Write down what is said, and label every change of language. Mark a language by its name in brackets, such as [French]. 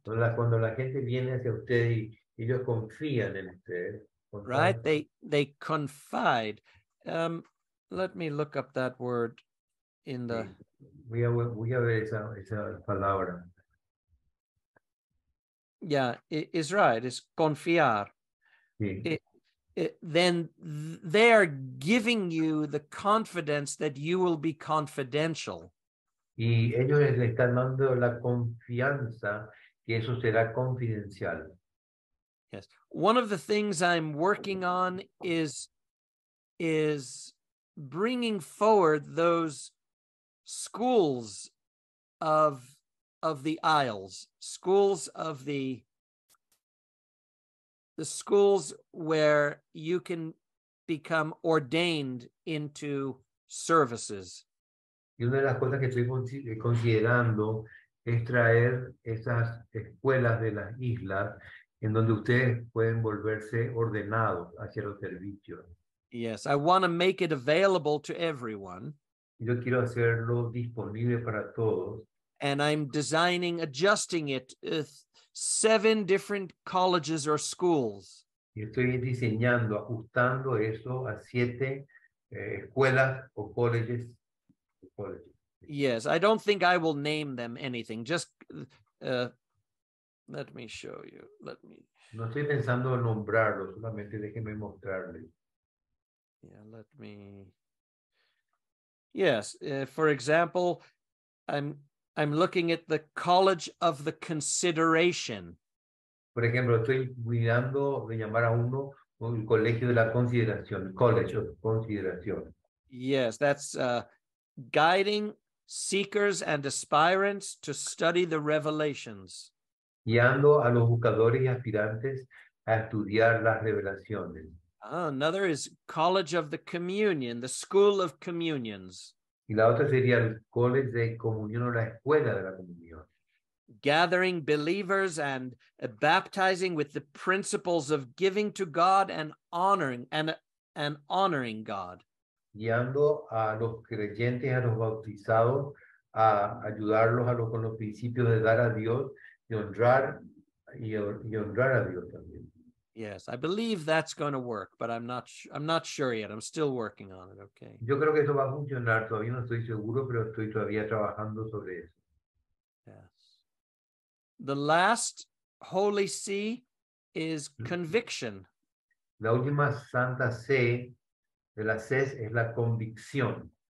[Spanish] Cuando la gente viene hacia usted y ellos confían en usted. [English] Right? They confide. Let me look up that word in the... [Spanish] Voy a ver esa palabra. [English] Yeah, it is right. It's confiar. [Spanish] Sí. [English] Then they are giving you the confidence that you will be confidential. [Spanish] Y ellos les están dando la confianza que eso será confidencial. [English] Yes. One of the things I'm working on is bringing forward those schools of the Isles, schools of the... The schools where you can become ordained into services. [Spanish] Y una de las cosas que estoy considerando es traer esas escuelas de las islas en donde ustedes pueden volverse ordenados hacia los servicios. [English] Yes, I want to make it available to everyone. [Spanish] Yo quiero hacerlo disponible para todos. [English] And I'm designing, adjusting it with 7 different colleges or schools. [Spanish] Estoy diseñando, ajustando eso a 7 escuelas o colleges. [English] Yes, I don't think I will name them anything. Just let me show you. Let me. [Spanish] No estoy pensando en nombrarlo, solamente déjeme mostrarle. [English] Yeah, let me. Yes, for example, I'm looking at the College of the Consideration. [Spanish] Por ejemplo, estoy mirando de llamar a uno el Colegio de la Consideración, College of Consideration. [English] Yes, that's guiding seekers and aspirants to study the revelations. [Spanish] Guiando a los buscadores y aspirantes a estudiar las revelaciones. [English] Another is College of the Communion, the School of Communions. [Spanish] Y la otra sería el College de Comunión o la Escuela de la Comunión. [English] Gathering believers and baptizing with the principles of giving to God and honoring God. [Spanish] Guiando a los creyentes, a los bautizados, a ayudarlos con los principios de dar a Dios y honrar a Dios también. [English] Yes, I believe that's going to work, but I'm not sure yet. I'm still working on it, okay? [Spanish] Yo creo que eso va a funcionar. Todavía no estoy seguro, pero estoy todavía trabajando sobre eso. [English] Yes. The last Holy See is conviction. [Spanish] La última Santa C de las Cs es la convicción.